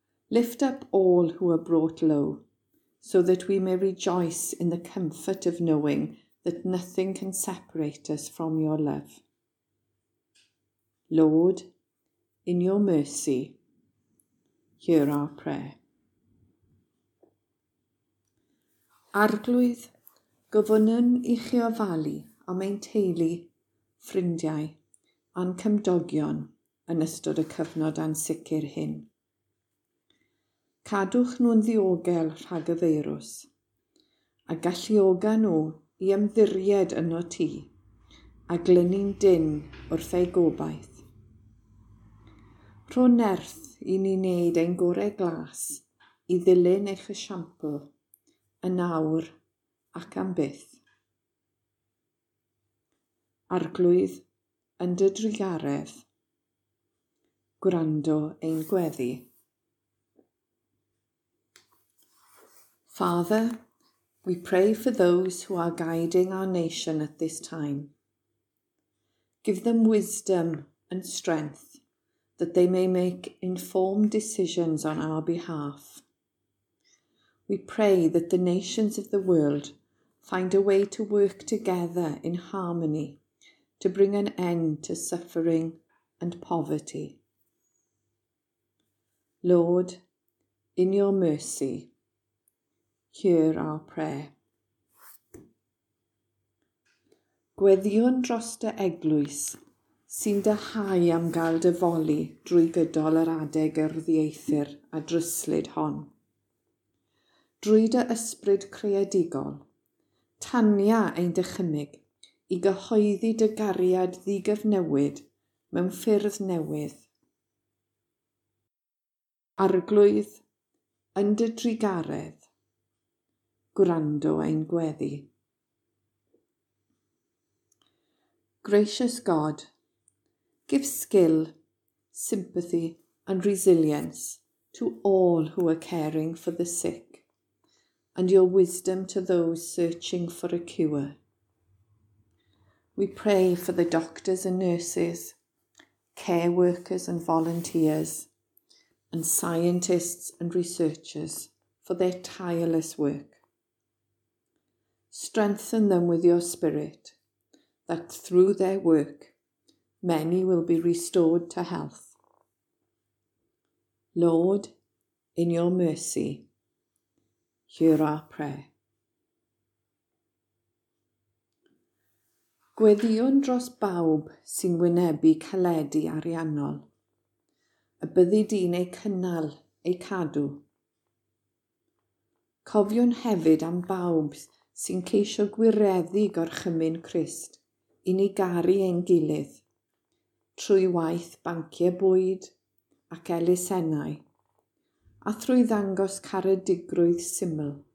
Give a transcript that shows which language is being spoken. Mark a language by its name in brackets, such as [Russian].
[English] Lift up all who are brought low, so that we may rejoice in the comfort of knowing that nothing can separate us from your love. Lord, in your mercy, hear our prayer. [Welsh] Arglwydd, gofynnwn i chi ofalu am ein teulu, ffrindiau, a'n cymdogion yn ystod y cyfnod ansicr hyn. Cadwch nhw'n ddiogel rhag y feirws, a galluoga nhw i ymddiried yno ti, a glynu'n dyn wrth ei gobaith. Rho nerth i ni wneud ein gorau glas i ddilyn eich esiampl, yn awr ac am byth. Arglwydd yn dy drigaredd, gwrando ein gweddi. [English] Father, we pray for those who are guiding our nation at this time. Give them wisdom and strength that they may make informed decisions on our behalf. We pray that the nations of the world find a way to work together in harmony to bring an end to suffering and poverty. Lord, in your mercy, hear our prayer. [Welsh] Gweddion dros dy eglwys sy'n dyhau am gael dyfoli drwy gydol yr adeg yr ddieithr a dryslyd hon. Drwy dy ysbryd creadigol, tania ein dychymyg i gyhoeddi dy gariad ddigyfnewid mewn ffyrdd newydd. Arglwydd, yn dy drigaredd, gwrando ein gweddi. [English] Gracious God, give skill, sympathy and resilience to all who are caring for the sick, and your wisdom to those searching for a cure. We pray for the doctors and nurses, care workers and volunteers, and scientists and researchers for their tireless work. Strengthen them with your spirit, that through their work, many will be restored to health. Lord, in your mercy, hear our prayer. [Welsh] Gweddion dros bawb sy'n wynebu caledu ariannol, y byddi di'n ei cynnal ei cadw. Cofion hefyd am bawb sy'n ceisio gwireddu gorchymyn Crist i ni garu ein gilydd trwy waith banciau bwyd ac elusennau a trwy ddangos caredigrwydd syml.